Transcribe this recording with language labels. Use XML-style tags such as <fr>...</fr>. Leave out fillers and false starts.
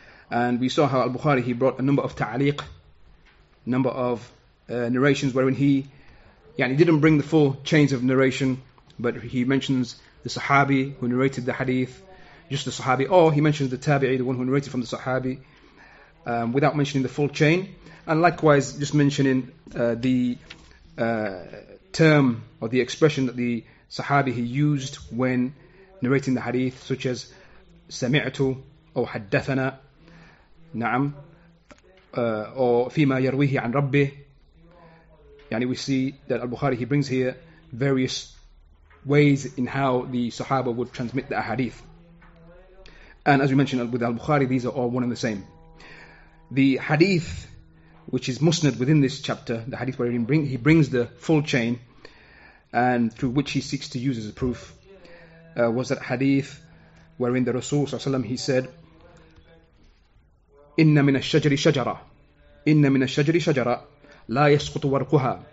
<en>And we saw how Al-Bukhari, he brought a number of ta'aliq, number of narrations, wherein he didn't bring the full chains of narration, but he mentions the Sahabi who narrated the hadith, just the Sahabi, or he mentions the Tabi'i, the one who narrated from the Sahabi, without mentioning the full chain. And likewise, just mentioning the term or the expression that the Sahabi he used when narrating the hadith, such as Sami'tu or Haddathana.</en> <ar>Naam, or فيما يرويه عن ربه.</ar> <en>Yani we see that Al-Bukhari, he brings here various ways in how the Sahaba would transmit the hadith. And as we mentioned with Al-Bukhari, these are all one and the same. The hadith, which is musnad within this chapter, the hadith where he brings the full chain, and through which he seeks to use as a proof, was that hadith wherein the Rasul Sallallahu Alaihi Wasallam, he said,</en> <ar>إِنَّ مِنَ الشَّجَرِ شَجَرًا إِنَّ مِنَ الشَّجَرِ شَجَرًا لَا يَسْقُطُ وَرْقُهَا.</ar>